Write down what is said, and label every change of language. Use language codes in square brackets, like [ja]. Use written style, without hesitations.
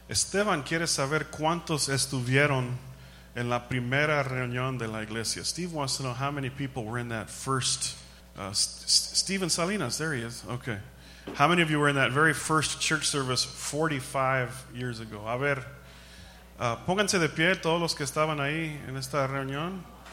[es] Esteban quiere saber cuántos estuvieron en la primera reunión de la iglesia. [en] Steve wants to know how many people were in that first... Steven Salinas, there he is. Okay. How many of you were in that very first church service 45 years ago? [es] A ver, pónganse de pie todos los que estaban ahí en esta reunión.